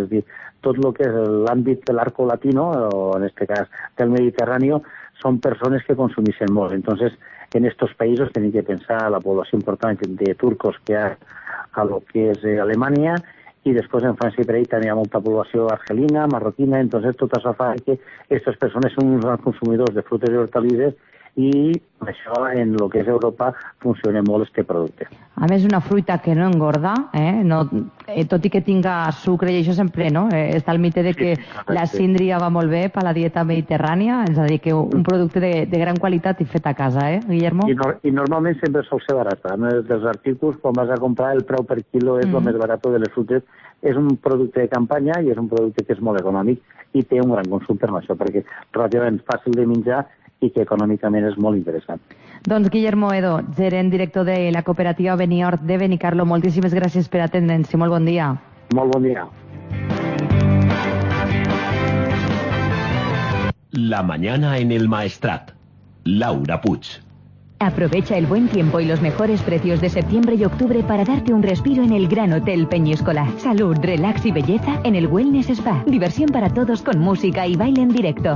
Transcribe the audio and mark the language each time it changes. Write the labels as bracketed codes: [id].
[ca] És a dir, tot el que és l'àmbit de l'arco latino, o en aquest cas del Mediterrani, [es] son personas que consumiesen molt. Entonces, en estos países tienen que pensar la población importante de turcos que hay a lo que es Alemania, y después en Francia y Perú también hay mucha población argelina, marroquina. Entonces, todo eso hace que estas personas son unos grandes consumidores de frutas y hortalizas, [ca] i això en el que és Europa funciona molt este producte. A més, una fruita que no engorda, no, tot i que tinga sucre, i això sempre, no? Està el mite de que sí, la síndria va molt bé per la dieta mediterrània, és a dir, que un producte de gran qualitat i fet a casa, Guillermo? I normalment sempre sol ser barata. En els articles, quan vas a comprar, el preu per quilo és el més barat de les frutes. És un producte de campanya i és un producte que és molt econòmic i té un gran consum per això, perquè relativament fàcil de menjar i que econòmicament és molt interessant. Doncs Guillermo Edo, gerent director de la cooperativa Beniort de Benicarlo, moltíssimes gràcies per atendre'ns i molt bon dia. Molt bon dia. [es] La mañana en el Maestrat. Laura Puig. Aprovecha el buen tiempo y los mejores precios de septiembre y octubre para darte un respiro en el Gran Hotel Peñíscola. Salud, relax y belleza en el Wellness Spa. Diversión para todos con música y baile en directo.